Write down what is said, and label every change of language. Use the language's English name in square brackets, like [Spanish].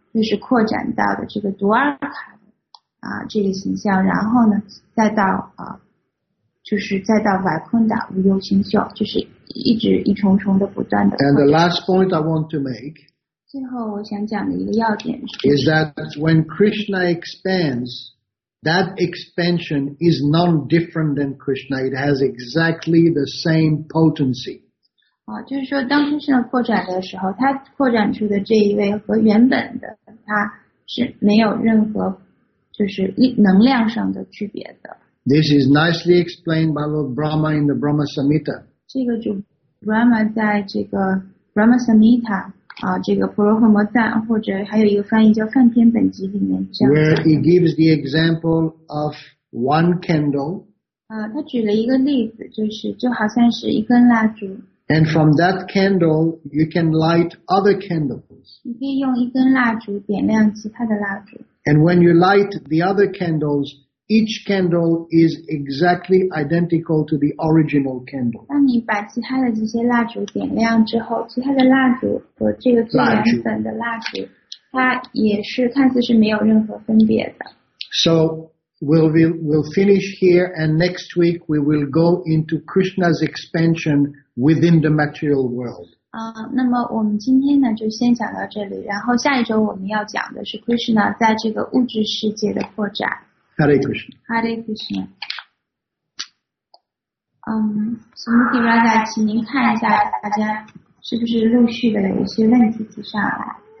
[Chinese] 就是扩展到的这个杜尔卡的这个形象，然后呢再到就是再到瓦昆达无忧星宿，就是一直一重重的不断的。 [English] And the last point I want to make, [Chinese] 最后我想讲的一个要点是 [English] is that when Krishna expands, that expansion is none different than Krishna. It has exactly the same potency. [Chinese] 就是说当 Krishna 扩展的时候，他扩展出的这一位和原本的他是没有任何就是能量上的区别的。 [English] This is nicely explained by Lord Brahma in the Brahma Samhita. [Chinese] 这个就 Brahma 在这个 Brahma Samhita 这个婆罗诃摩赞，或者还有一个翻译叫梵天本集里面这样讲。 [English] Where he gives the example of one candle. [Chinese] 他举了一个例子，就是就好像是一根蜡烛。 [English] And from that candle, you can light other candles. [Chinese] 你可以用一根蜡烛点亮其他的蜡烛。 [English] And when you light the other candles,Each candle is exactly identical to the original candle. [Chinese] 当你把其他的这些蜡烛点亮之后，其他的蜡烛和这个最原本的蜡烛，它也是看似是没有任何分别的。 [English] So we'll finish here, and next week we will go into Krishna's expansion within the material world. [Chinese] 那么我们今天呢就先讲到这里，然后下一周我们要讲的是 Krishna 在这个物质世界的扩展。 [Sanskrit] Hare Krishna. Hare Krishna. [Chinese] Smriti Radha, 请您看一下大家是不是陆续的有一些问题提上来。